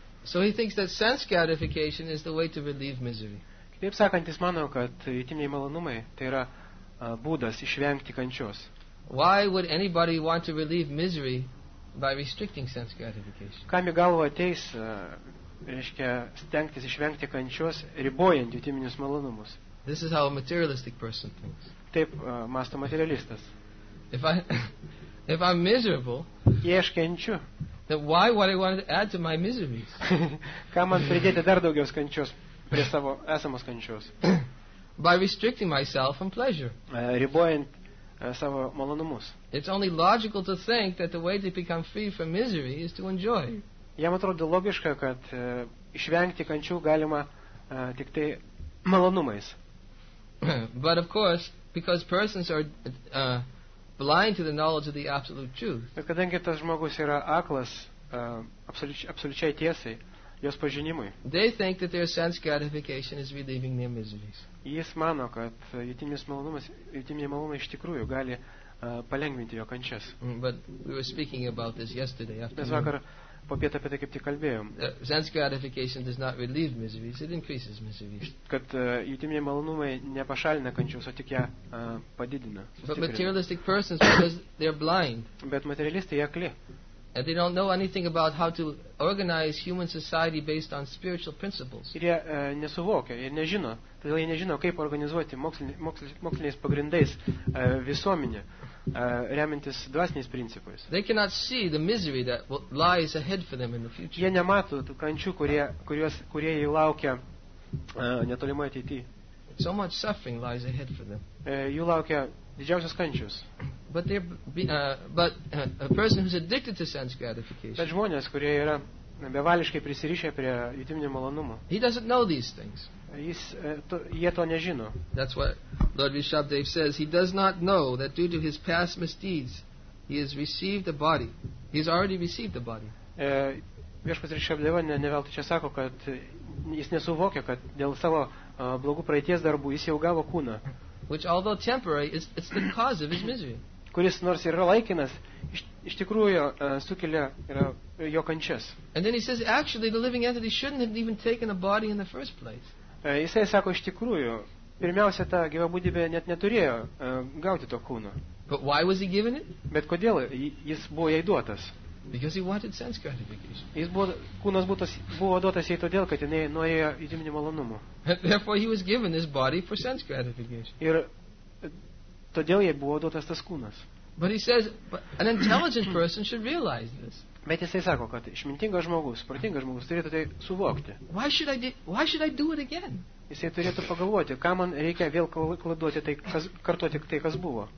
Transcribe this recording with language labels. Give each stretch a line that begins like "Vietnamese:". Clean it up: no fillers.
English: So he thinks that sense gratification is the way to relieve misery.
Lithuanian: Kitaip sakant, jis mano, kad jutiminiai malonumai tai yra būdas išvengti kančios.
English: Why would anybody want to relieve misery by restricting sense gratification?
Lithuanian: Kam į galvą ateis, reiškia, stengtis išvengti kančios, ribojant jutiminius malonumus?
English: This is how a materialistic person thinks.
Lithuanian: Taip masto materialistas.
English: If I'm miserable,
Lithuanian: jei aš kenčiu,
English: then why would I want to add to my miseries?
Lithuanian: Kam man pridėti dar daugiau kančios prie savo esamos kančios?
English: By restricting myself from pleasure.
Lithuanian: Ribojant savo malonumus.
English: It's only logical to think that the way to become free from misery is to enjoy.
Lithuanian: Jam atrodo logiška, kad išvengti kančių galima tik tai malonumais.
English: But of course, because persons are blind to the knowledge of the absolute truth.
Lithuanian: Kadangi tas žmogus yra aklas absoliučiai tiesai, jos pažinimui.
English: They think that their sense gratification is relieving their miseries.
Lithuanian: Jis mano, kad jutiminiai malonumai iš tikrųjų gali palengvinti jo kančias.
English: But we were speaking about this yesterday afternoon.
Lithuanian: Mes vakar po pietų apie tai kaip tik kalbėjom.
English: Sense gratification does not relieve miseries, it increases miseries.
Lithuanian: Kad jutiminiai malonumai nepašalina kančios, o tik ją padidina.
English: But materialistic persons, because they're blind.
Lithuanian: Bet materialistai akli.
English: And they don't know anything about how to organize human society based on spiritual principles.
Lithuanian: Ir jie nesuvokia, jie nežino, todėl jie nežino, kaip organizuoti moksliniais pagrindais visuomenę, remiantis dvasiniais principais.
English: They cannot see the misery that lies ahead for them in the future.
Lithuanian: Jie nemato tų kančių, kurie jį laukia netolimoje ateityje.
English: So much suffering lies ahead for them.
Lithuanian: Jų laukia didžiausios kančios.
English: But a person who's addicted to sense gratification.
Lithuanian: Bet žmonės, kurie yra bevališkai prisirišę prie jutiminio malonumo.
English: He doesn't know these things.
Lithuanian: Jie to nežino.
English: That's what Lord Rishabhdev says. He does not know that due to his past misdeeds, he has received a body. He's already received a body.
Lithuanian: Viešpats Rishabhdeva neveltai čia sako, kad jis nesuvokia, kad dėl savo blogų praeities darbų jis jau gavo kūną.
English: Which although temporary is it's the cause of his misery.
Lithuanian: Kuris nors yra laikinas, iš tikrųjų sukelia yra jo kančias.
English: And then he says actually the living entity shouldn't have even taken a body in the first place.
Lithuanian: Jisai sako iš tikrųjų, pirmiausia ta gyva būtybė net neturėjo gauti to kūno.
English: But why was he given it?
Lithuanian: Bet kodėl jis buvo jai duotas?
English: Because he wanted sense gratification.
Lithuanian: Jis kūnas buvo duotas jai todėl, kad jinai norėjo jutiminio malonumo.
English: Therefore he was given this body for sense gratification.
Lithuanian: Ir todėl jai buvo duotas tas kūnas.
English: But he says, but an intelligent person should realize this.
Lithuanian: Bet jisai sako, kad išmintingas žmogus, protingas žmogus turėtų tai suvokti.
English: Why should I do it again?
Lithuanian: Jisai turėtų pagalvoti, ką man reikia vėl klaiduoti tai, kas, kartuoti tai, kas buvo.